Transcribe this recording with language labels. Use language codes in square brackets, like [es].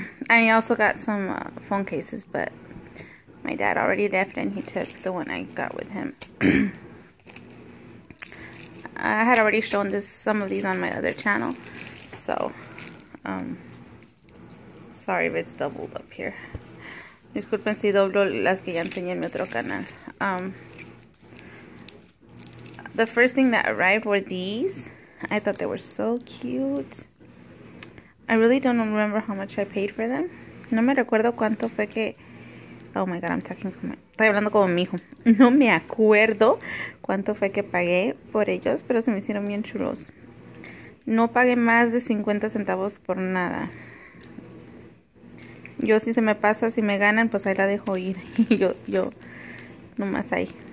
[en] I also got some phone cases, but my dad already left and he took the one I got with him. I had already shown this some of these on my other channel, so sorry if it's doubled up here. [es] Disculpen si doblo las que ya enseñé en mi otro canal. [en] The first thing that arrived were these. I thought they were so cute. I really don't remember how much I paid for them. [es] No me recuerdo cuánto fue que... Oh my god, I'm talking como... Estoy hablando como mi hijo. No me acuerdo cuánto fue que pagué por ellos, pero se me hicieron bien chulos. No pagué más de 50 centavos por nada. Yo si se me pasa, si me ganan, pues ahí la dejo ir. yo nomás ahí.